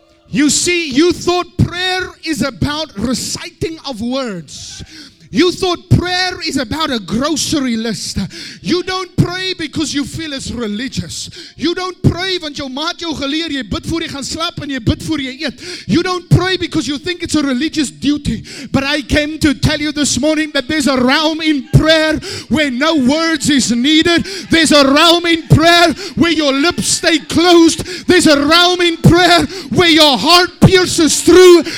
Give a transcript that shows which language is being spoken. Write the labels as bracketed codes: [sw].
[en] You see, you thought prayer is about reciting of words. You thought prayer is about a grocery list. You don't pray because you feel it's religious. You don't pray [af] want jou maat jou geleer, jy bid voor jy gaan slaap en jy bid voor jy eet. [en] You don't pray because you think it's a religious duty. But I came to tell you this morning that there's a realm in prayer where no words is needed. There's a realm in prayer where your lips stay closed. There's a realm in prayer where your heart pierces through.